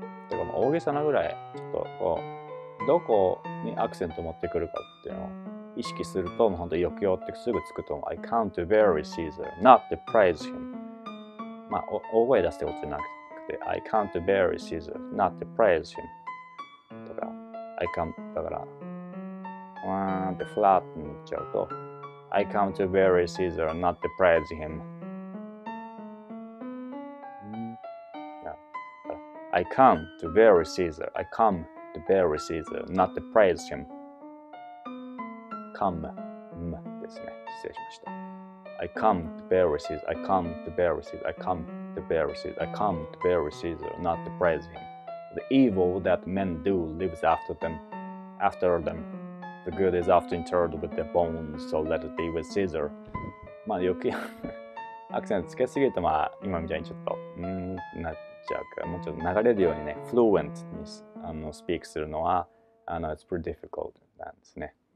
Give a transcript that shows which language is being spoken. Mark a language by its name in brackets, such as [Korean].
[Japanese] とか、大げさなぐらい、ちょっとこう、どこにアクセントを持ってくるかっていうのを意識すると、もう本当に抑揚ってすぐつくと思う。 [English] I can't bury Caesar, not to praise him. [Japanese] まあ、大声出すってことじゃなくて、 [English] I can't bury Caesar, not to praise him. [Japanese] とか、 [English] I can't, [Japanese] だから、わーってフラットに行っちゃうと、 [English] I can't bury Caesar, not to praise him. I come to bury Caesar, I come to bury Caesar, not to praise him. Come, [Japanese] ですね。失礼しました。 [English] I come to bury Caesar, I come to bury Caesar, I come to bury Caesar, I come to bury Caesar, not to praise him. The evil that men do lives after them. The good is often interred with their bones, so let it be with Caesar. [Japanese] まあ、よく アクセントつけすぎると、まあ、今みたいにちょっと、なっちゃうか、もうちょっと流れるようにね、fluent にスピークするのは、 [English] it's pretty difficult [Japanese] なんですね。